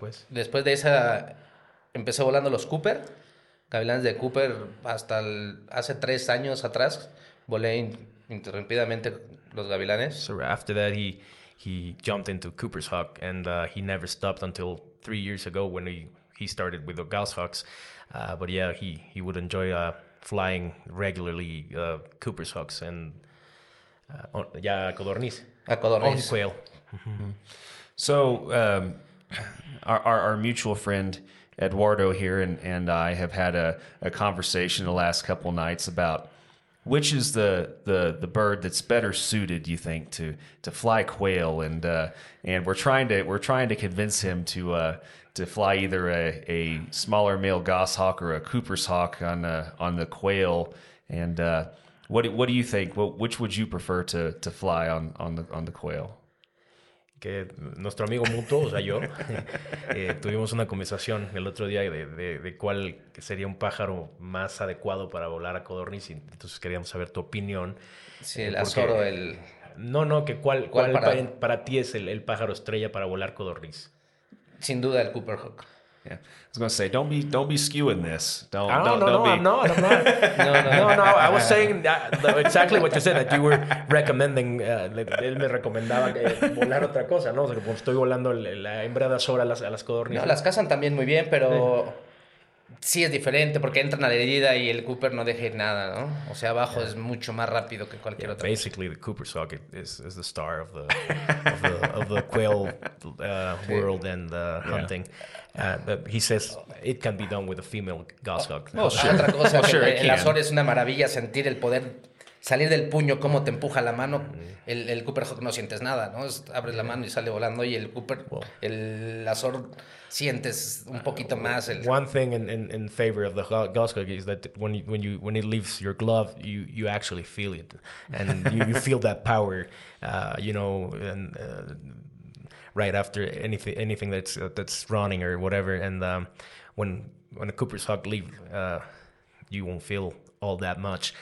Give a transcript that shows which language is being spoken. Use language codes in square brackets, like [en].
[es] después de esa empezó volando los Cooper, gavilanes de Cooper, hasta hace 3 años atrás volé interrumpidamente los gavilanes. [en] So after that he jumped into Cooper's Hawk, and he never stopped until 3 years ago when he started with the Goshawks. But yeah, he would enjoy flying regularly Cooper's Hawks and a codorniz. [es] A codorniz. [en] On quail. So our mutual friend Eduardo here and I have had a conversation the last couple nights about which is the bird that's better suited, you think, to fly quail, and we're trying to convince him to fly either a smaller male goshawk or a Cooper's hawk on the quail. And what do you think? Which would you prefer to fly on the quail? [es] Que nuestro amigo mutuo, o sea, yo, tuvimos una conversación el otro día de cuál sería un pájaro más adecuado para volar a codorniz. Entonces queríamos saber tu opinión. Sí, el azoro, el... No, que cuál para ti es el pájaro estrella para volar codorniz. Sin duda el Cooper Hawk. [en] Yeah. I was gonna say, don't be skewing this. No, I was saying exactly what you said, that you were recommending. [es] Él me recomendaba volar otra cosa, ¿no? O sea, como estoy volando la hembra de azor a las codornices. No, las cazan también muy bien, pero sí es diferente porque entran a la herida y el Cooper no deja nada, ¿no? O sea, abajo es mucho más rápido que cualquier otro. [en] Basically, the Cooper socket is the star of the quail world and the hunting. Yeah. But he says it can be done with a female goshawk. Oh, sure. [es] Otra cosa, sure, el azor es una maravilla, sentir el poder salir del puño, cómo te empuja la mano. El Cooper Hawk no sientes nada, ¿no? Abres la mano y sale volando, y el Cooper, el azor, sientes un poquito más. [en] One thing in favor of the goshawk is that when it leaves your glove, you actually feel it, and you feel that power, right after anything that's running or whatever, and when a Cooper's Hawk leave, you won't feel all that much.